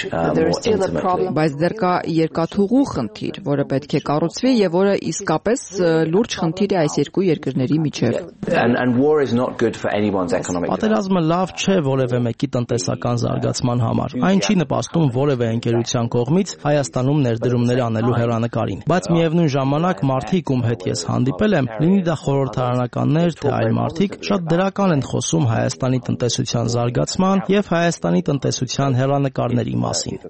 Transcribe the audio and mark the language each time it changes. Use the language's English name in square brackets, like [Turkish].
[Armenian] Բայց դեռ կա երկաթուղու խնդիր, որը պետք է կառուցվի եւ որը իսկապես լուրջ խնդիր է այս երկու երկրների միջև։ [English] And war is not good for anyone's economic. [Armenian] Պատերազմը լավ չէ որևէ մեկի տնտեսական զարգացման համար։ Այն չի նպաստում որևէ ընկերության կողմից Հայաստանում ներդրումներ անելու հեռանկարին։ Բայց միևնույն ժամանակ մարդիկ, ում հետ ես հանդիպել եմ, լինի դա խորհրդարանականներ, թե այլ մարդիկ, շատ դրական են խոսում Հայաստանի տնտեսության զարգացման եւ Հայաստանի տնտեսության հեռանկարների մասին։